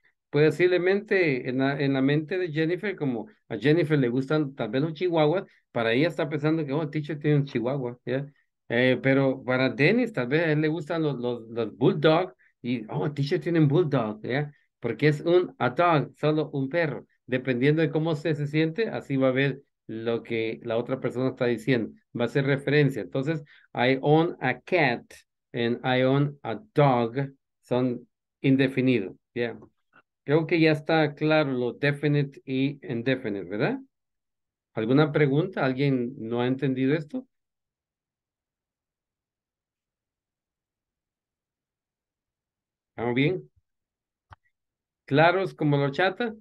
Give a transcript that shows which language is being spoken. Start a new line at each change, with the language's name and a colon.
Spanish: Puede decirle mente, en la mente de Jennifer, como a Jennifer le gustan tal vez los chihuahuas, para ella está pensando que, oh, teacher tiene un chihuahua, yeah. Pero para Dennis, tal vez a él le gustan los bulldogs, y, oh, teacher tiene un bulldog, yeah. Porque es
English: a dog,
Spanish: solo un perro. Dependiendo de cómo se siente, así va a ver lo que la otra persona está diciendo. Va a ser referencia.
English: Entonces, I own a cat and I own a dog.
Spanish: Son indefinidos. Yeah. Creo que ya está claro lo definite y indefinite, ¿verdad? ¿Alguna pregunta? ¿Alguien no ha entendido esto? ¿Estamos bien? ¿Claros como la chata?